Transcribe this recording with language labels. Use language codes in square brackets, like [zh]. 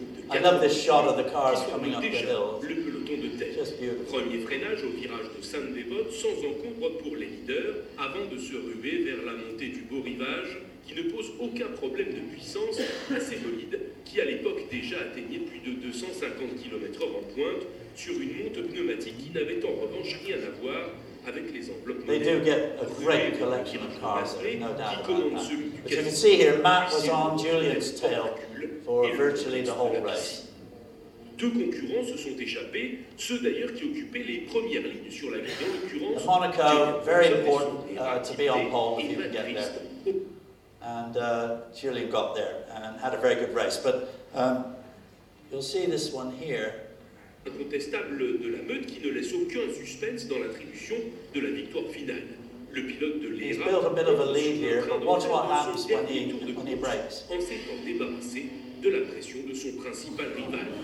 [en] I love this shot of the cars coming up the hill. [fr] Le peloton de tête. [en] Just beautiful. [fr] Premier freinage au virage de Saint-Devote, sans encombre pour les leaders, avant de se ruer vers la montée du beau rivage. Qui ne pose aucun problème de puissance à ces bolides, qui à l'époque déjà atteignaient plus de 250 km/h en pointe sur une monte pneumatique qui n'avait en revanche rien à voir avec les enveloppes. [en] They do get a great collection of cars, no doubt about that. But you can see here, Matt was on Julian's tail for virtually the whole race. [fr] Deux concurrents se sont échappés, ceux d'ailleurs qui occupaient les premières lignes sur la grille. En l'occurrence, [en] Monaco, very important to be on pole if you can get there. And Julian got there and had a very good race. But you'll see this one here. [fr] Incontestable de la meute qui ne laisse aucun suspense dans l'attribution de la victoire finale. Le pilote de l'Era. [en] He's built a bit of a lead here, but watch what happens when he breaks. [fr] En s'étant débarrassé de la pression de son principal rival.